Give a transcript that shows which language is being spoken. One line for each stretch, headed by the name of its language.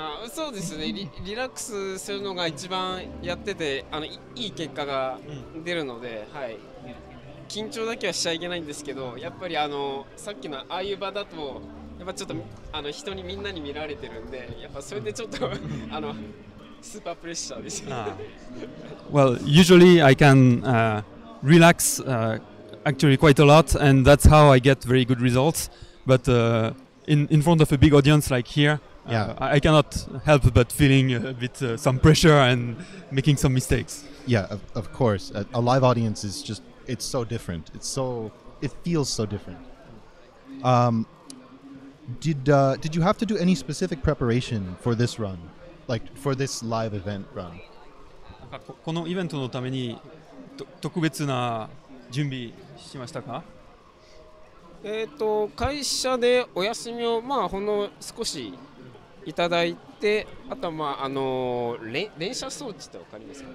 Japanese: そうですね、リラックスするのが一番やってて、あのいい結果が出るので、はい。緊張だけはしちゃいけないんですけど、やっぱりあのさっきのああいう場だと、やっぱちょっとあの人にみんなに見られてるんで、やっぱそれでちょっとあのスーパープレッシャーですね。
English: Well, usually I can relax actually quite a lot, and that's how I get very good results. But in front of a big audience like here, I cannot help but feeling a bit some pressure and making some mistakes. Yeah, of course. A live audience is just, it's so different. It feels so different. Did you have to do any specific preparation for this run? Like, for this live event run?
Japanese: このイベントのために特別な準備しましたか？会社でお休みを、まあ、ほんの少しいただいて、あとは、まあ、あの連射装置ってわかりますか？